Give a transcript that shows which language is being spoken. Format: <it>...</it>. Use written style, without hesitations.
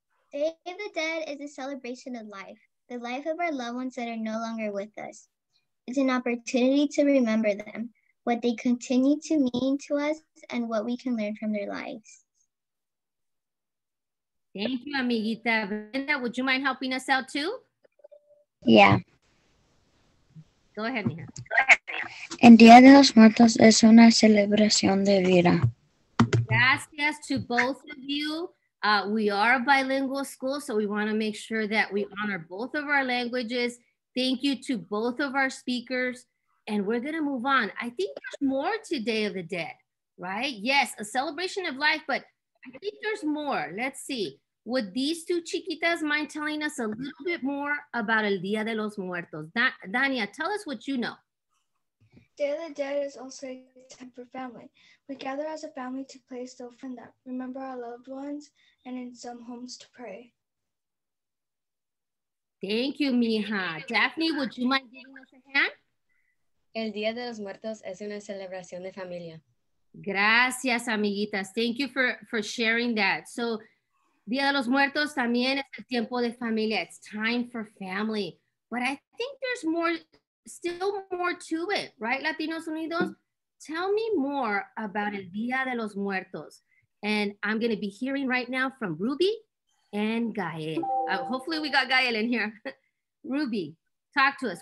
<en>Day of the Dead is a celebration of life, the life of our loved ones that are no longer with us. It's an opportunity to remember them, what they continue to mean to us, and what we can learn from their lives. Thank you, amiguita. Brenda, would you mind helping us out too? Yeah. Go ahead, Mija.</en> <es>El Día de los Muertos es una celebración de vida.</es> <en>Gracias to both of you. We are a bilingual school, so we want to make sure that we honor both of our languages. Thank you to both of our speakers. And we're going to move on. I think there's more to Day of the Dead, right? Yes, a celebration of life, but I think there's more. Let's see. Would these two chiquitas mind telling us a little bit more about El Día de los Muertos? Dania, tell us what you know. Day of the Dead is also a time for family. We gather as a family to place the offering that remember our loved ones and in some homes to pray. Thank you, mija. Daphne, would you mind giving us a hand?</en> <es>El Día de los Muertos es una celebración de familia. Gracias, amiguitas.</es> <en>Thank you for sharing that.</en> <es>So, Día de los Muertos también es el tiempo de familia.</es> <en>It's time for family. But I think there's more, still more to it, right, Latinos Unidos? Tell me more about El Día de los Muertos. And I'm going to be hearing right now from Ruby and Gael. Hopefully we got Gael in here. Ruby, talk to us.</en>